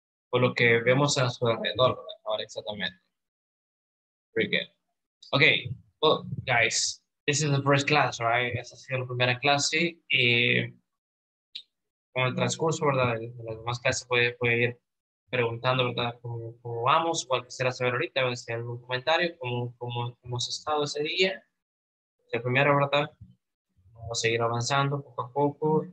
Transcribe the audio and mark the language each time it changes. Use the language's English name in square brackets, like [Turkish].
[Spanish] Por lo que vemos a su alrededor, ahora exactamente. [English] Very good. Okay, well, guys, this is the first class, right? [Spanish] Esta ha sido la primera clase. Y con el transcurso, ¿verdad? De las demás clases, puede ir preguntando, ¿verdad? ¿Cómo vamos? ¿Cuál quisiera saber ahorita? Voy a hacer algún comentario. ¿Cómo hemos estado ese día? El primero, ¿verdad? Vamos a seguir avanzando poco a poco.